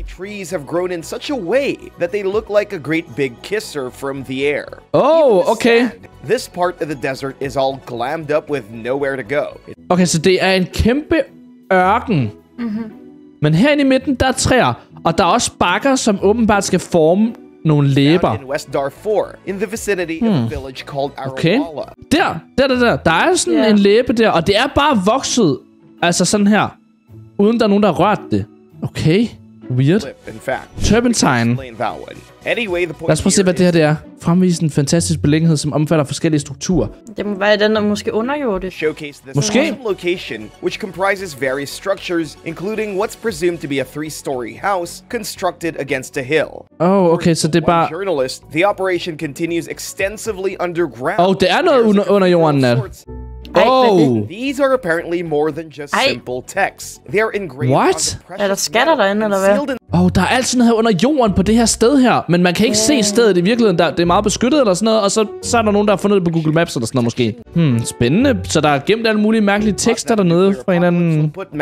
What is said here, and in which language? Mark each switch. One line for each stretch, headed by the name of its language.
English: Trees have grown in such a way that they look like a great big kisser from the air. Oh, okay. This part of the desert is all glammed up with nowhere to go.
Danish: Okay, så det er en kæmpe ørken. Mm-hmm. Men herinde i midten, der er træer, og der er også bakker, som åbenbart skal forme nogle læber.
English: In West Darfur, in the vicinity of a village called Arawala. Okay.
Danish: Der. Der er sådan en læbe der, og det er bare vokset. Altså sådan her. Uden der er nogen, der har rørt det. Okay.
English: Weird.
Danish: Turpentine. Anyway, lad os prøve at se, hvad det her det er. Fremvise en fantastisk beliggenhed, som omfatter forskellige strukturer. Det må være den, der måske undergjorde det. Måske.
English: Location, which comprises various structures, including what's presumed to be a three-story house, constructed against a hill. Oh, okay,
Danish: så det er bare...
English: Journalist, the operation continues extensively underground.
Danish: Oh, det er noget under jorden, Nat. Oh!
English: These are apparently more than just simple texts. They are engraved. What?
Danish: Er der skatter derinde, eller hvad? Oh, der er alt sådan noget her under jorden på det her sted her. Men man kan ikke se stedet i virkeligheden. Det er meget beskyttet eller sådan noget. Og så er der nogen, der har fundet det på Google Maps eller sådan noget måske. Hmm, spændende. Så der er gemt alle mulige mærkelige tekster dernede fra en anden...